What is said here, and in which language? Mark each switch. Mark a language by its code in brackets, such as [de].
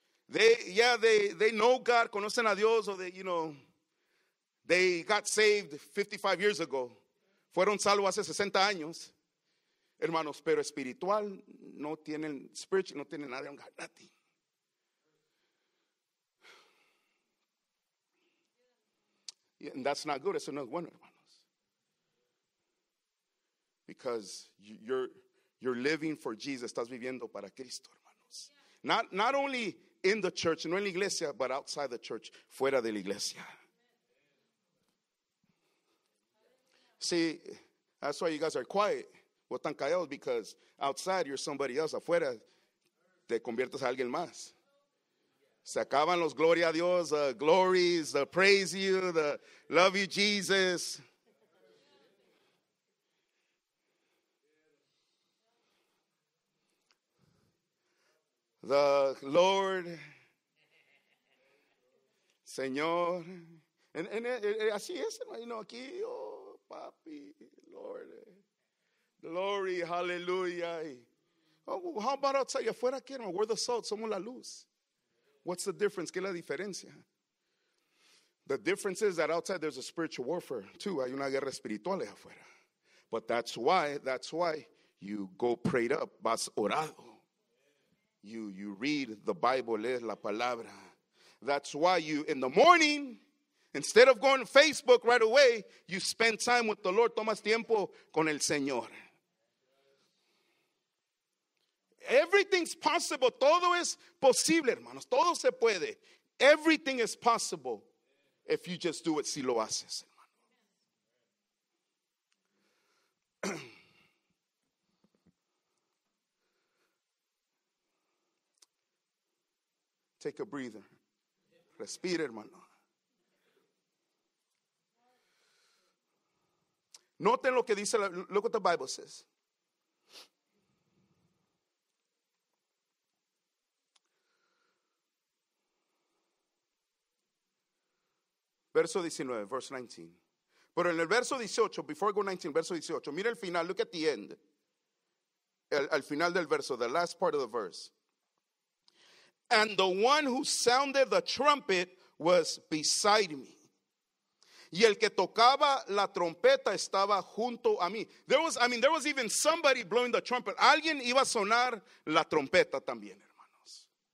[en] They know God, [es] conocen a Dios, [en] or they, you know, they got saved 55 years ago. [es] Fueron salvos hace 60 años, hermanos, pero espiritual, no tienen, spiritual, no tienen nada, nothing. [en] And that's not good, [es] eso no es bueno, hermanos. [en] Because you're living for Jesus, [es] estás viviendo para Cristo, hermanos. [en] Not only in the church, [es] no en la iglesia, [en] but outside the church, [es] fuera de la iglesia. [en] See, that's why you guys are quiet. Well, [es] tan callados, [en] because outside you're somebody else. [es] Afuera, te conviertes a alguien más. Se acaban los gloria a Dios, [en] the glories, the praise you, the love you, Jesus. The Lord, Señor. [es] And así es, hermano, aquí, oh. [en] Papi, Lord, glory, hallelujah. Oh, how about outside? [es] Afuera, ¿qué? [en] We're the salt, [es] somos la luz. [en] What's the difference? [es] ¿Qué es la diferencia? [en] The difference is that outside there's a spiritual warfare too. [es] Hay una guerra espiritual afuera. [en] But that's why you go prayed up, [es] vas orado. [en] You read the Bible, [es] lees la palabra. [en] That's why you, in the morning, instead of going to Facebook right away, you spend time with the Lord. [es] Tomas tiempo con el Señor. [en] Everything's possible. [es] Todo es posible, hermanos. Todo se puede. [en] Everything is possible if you just do it. [es] Si lo haces, hermano. [en] Take a breather. [es] Respire, hermano. Noten lo que dice, [en] look what the Bible says. [es] Verso 19, [en] verse 19. [es] Pero en el verso 18, [en] before I go 19, [es] verso 18, mira el final, [en] look at the end. [es] Al final del verso, [en] the last part of the verse. And the one who sounded the trumpet was beside me. [es] Y el que tocaba la trompeta estaba junto a mí. [en] There was even somebody blowing the trumpet. [es] Alguien iba a sonar la trompeta también, hermanos.